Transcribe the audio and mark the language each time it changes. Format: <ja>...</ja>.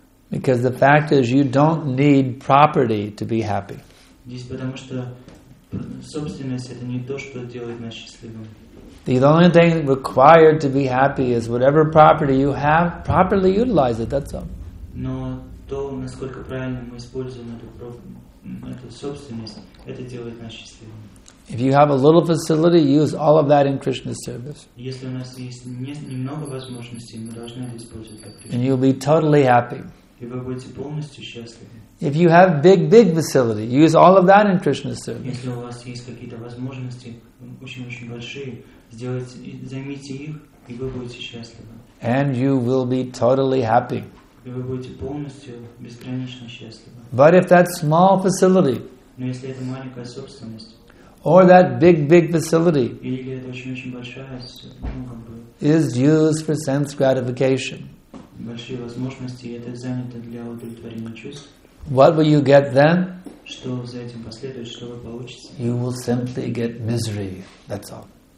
<en>Because the fact is, you don't need property to be happy. The only thing required to be happy is whatever property you have, properly utilize it, that's all.</en> <ru>Но то, насколько правильно мы используем эту собственность, это делает нас счастливыми.</ru> <en>If you have a little facility, use all of that in Krishna's service.</en> <ru>Если у нас есть немного возможностей, мы должны это использовать для Кришны.</ru> <en>And you'll be totally happy.</en> <ru>И вы будете полностью счастливы.</ru> <en>If you have big facility, use all of that in Krishna's service.</en> <ru>Если у вас есть какие-то возможности очень большие, займите их, и вы будете счастливы.</ru> <en>And you will be totally happy.</en> <ru>И вы будете полностью бесконечно счастливы.</ru> <en>But if that small facility,</en> <ru>но если это маленькая собственность,</ru> <en>or that big facility is used for sense gratification, what will you get then? You will simply get misery, that's all.</en>